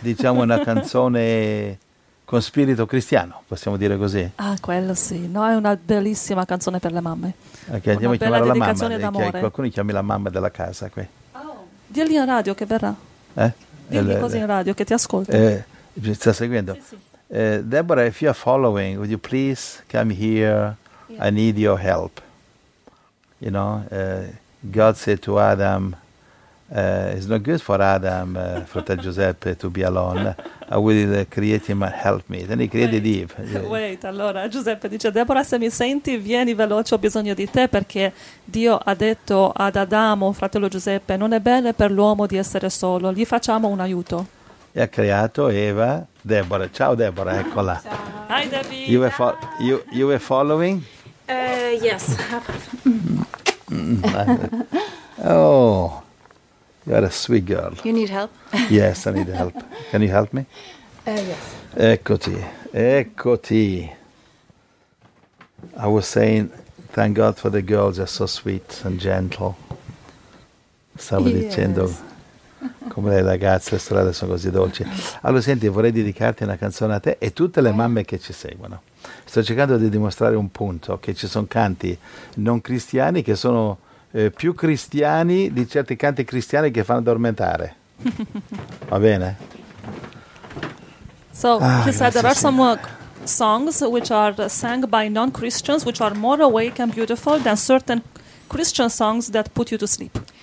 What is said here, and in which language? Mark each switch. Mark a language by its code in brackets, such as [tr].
[it] Diciamo una canzone con spirito cristiano, possiamo dire così? Ah, quello sì, no, è una bellissima canzone per le mamme. Ok, andiamo a chiamare la mamma, qualcuno chiami la mamma della casa qui. Oh, digli in radio che verrà, digli cose in radio che ti ascolta. Ci sta seguendo? Sì, sì. [en] Deborah, if you are following, would you please come here? Yeah. I need your help. You know, God said to Adam, it's not good for Adam, [it] fratello Giuseppe, [en] to be alone. I will create him and help me. Then he created Eve. [it] Wait, allora Giuseppe dice: Deborah, se mi senti, vieni veloce, ho bisogno di te, perché Dio ha detto ad Adamo, fratello Giuseppe, non è bene per l'uomo di essere solo, gli facciamo un aiuto. E ha creato Eva, Deborah. Ciao Deborah, eccola. Ciao. [en] Hi Debbie. You were following? Yes. Oh, you are a sweet girl. You need help? Yes, I need help. Can you help me? Yes. [it] Eccoti. [en] I was saying, thank God for the girls, they're so sweet and gentle. [it] Stavo dicendo, come le ragazze, le sorelle sono così dolci. Allora, senti, vorrei dedicarti una canzone a te e tutte le mamme che ci seguono. Sto cercando di dimostrare un punto, che ci sono canti non cristiani che sono... più cristiani di certi canti cristiani che fanno addormentare. Va bene? [en] So, he said there are some songs which are sang by non-Christians which are more awake and beautiful than certain Christian songs that put you to sleep.